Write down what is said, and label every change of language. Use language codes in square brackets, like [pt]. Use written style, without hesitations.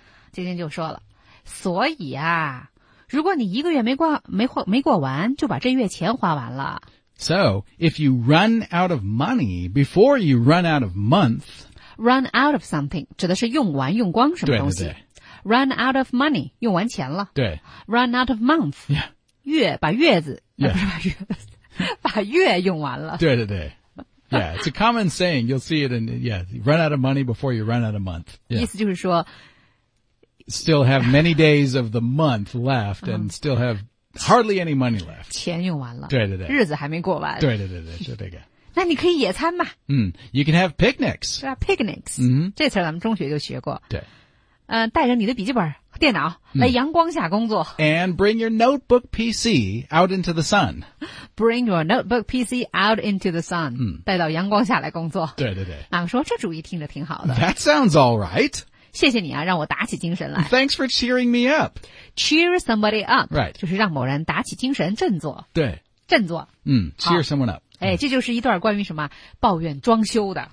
[zh] 今天就说了所以啊如果你一个月没过完就把这月钱花完了。 [en] So, if you run out of money before you run out of month, Run out of something, [zh] 指的是用完用光什么东西。对对对 [en] Run out of money, [zh] 用完钱了。对。 [en] Run out of month,、 yeah. [zh] 月把月子、 [en] yeah. [zh] 不是把月子把月用完了。 [en] 对对对。Yeah, it's a common saying, you'll see it in, yeah, run out of money before you run out of month.、Yeah. [zh] 意思就是说 [en] Still have many days of the month left and still have hardly any money left. [zh] 钱用完了。对对对。日子还没过完。对对对对就这个。那你可以野餐嘛。 [en] 嗯、you can have picnics. [zh] 是啊 picnics.、 Mm-hmm. 这次咱们中学就学过。对。带着你的笔记本电脑来阳光下工作。 [en] And bring your notebook PC out into the sun. Bring your notebook PC out into the sun.、嗯、 [zh] 带到阳光下来工作。对对对。马克说这主意听着挺好的。 [en] That sounds alright. [zh] 谢谢你啊让我打起精神来。 [en] Thanks for cheering me up. Cheer somebody up. Right. [zh] 就是让某人打起精神振作。对。振作。 [en] 嗯 cheer someone up. [zh] 哎，这就是一段关于什么抱怨装修的。